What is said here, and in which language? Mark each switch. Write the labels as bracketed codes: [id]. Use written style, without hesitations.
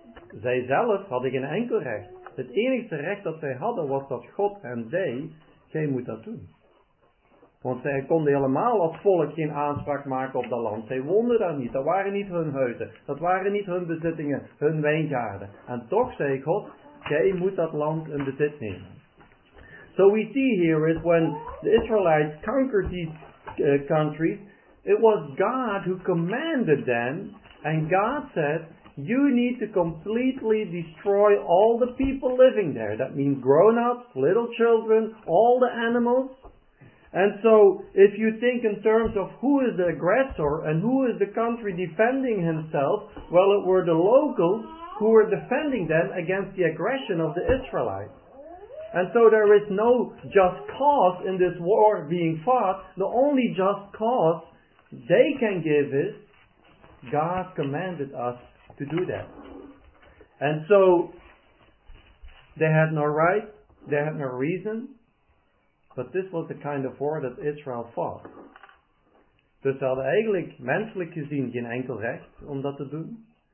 [nl] Zij zelf hadden geen enkel recht. Het enige recht dat zij hadden, was dat God hen zei, jij moet dat doen. Want zij konden helemaal als volk geen aanspraak maken op dat land. Zij woonden daar niet, dat waren niet hun huizen, dat waren niet hun bezittingen, hun wijngaarden. En toch zei God, jij moet dat land in bezit nemen. [en] So we see here is when the Israelites conquered these countries, it was God who commanded them, and God said, you need to completely destroy all the people living there. That means grown-ups, little children, all the animals. And so if you think in terms of who is the aggressor and who is the country defending himself, well, it were the locals who were defending them against the aggression of the Israelites. And so there is no just cause in this war being fought. The only just cause they can give is God commanded us to do that. And so they had no right, they had no reason, but this was the kind of war that Israel fought. [nl] Dus ze hadden eigenlijk menselijk gezien geen enkel recht om dat te doen.